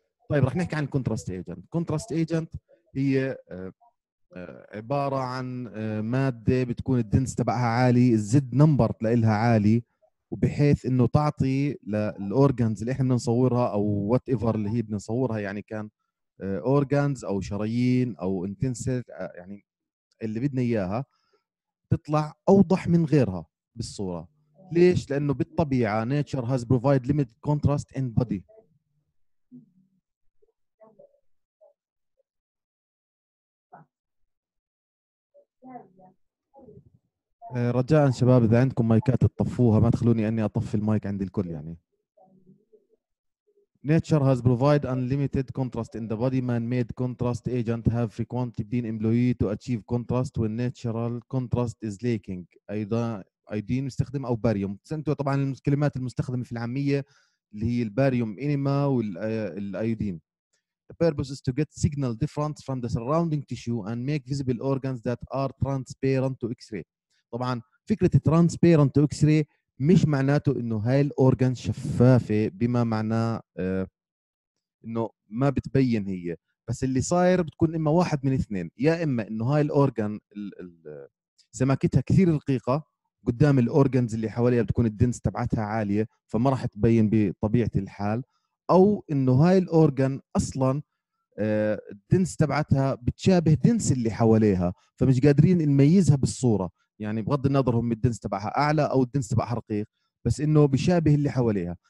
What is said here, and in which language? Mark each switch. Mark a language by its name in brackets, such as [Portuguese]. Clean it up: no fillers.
[Arabic] طيب رح نحكي عن الكونتراست ايجنت. الكونتراست ايجنت هي عبارة عن مادة بتكون الدنس تبعها عالي، الزد نمبر لإلها عالي، وبحيث انه تعطي للأورغانز اللي احنا بنصورها او وات ايفر اللي هي بنصورها، يعني كان أورغانز او شرايين او انتنسيف يعني اللي بدنا اياها، تطلع اوضح من غيرها بالصورة. ليش؟ لأنه بالطبيعة [English] nature has provided limited contrast in body. [Arabic] رجاء شباب إذا عندكم مايكات تطفوها، ما تخلوني أني أطفي المايك عند الكل. يعني [English] nature has provided unlimited contrast in the body. Man made contrast agent have frequently been employed to achieve contrast when natural contrast is lacking. [Arabic] أيضا ايدين مستخدم او باريوم. سنتوا طبعا الكلمات المستخدمه في العاميه اللي هي الباريوم انيما والايدين. [English] The purpose is to get signal difference from the surrounding tissue and make visible organs that are transparent to x-ray. [Arabic] طبعا فكره [English] transparent to x-ray [Arabic] مش معناته انه هاي الاورجان شفافه بما معناه انه ما بتبين هي، بس اللي صاير بتكون اما واحد من اثنين، يا اما انه هاي الاورجان سماكتها كثير رقيقه قدام الأورغانز اللي حواليها بتكون الدنس تبعتها عالية فما راح تبين بطبيعة الحال، أو إنه هاي الأورغان أصلاً الدنس تبعتها بتشابه دنس اللي حواليها فمش قادرين نميزها بالصورة، يعني بغض النظر هم الدنس تبعها أعلى أو الدنس تبعها رقيق بس إنه بشابه اللي حواليها.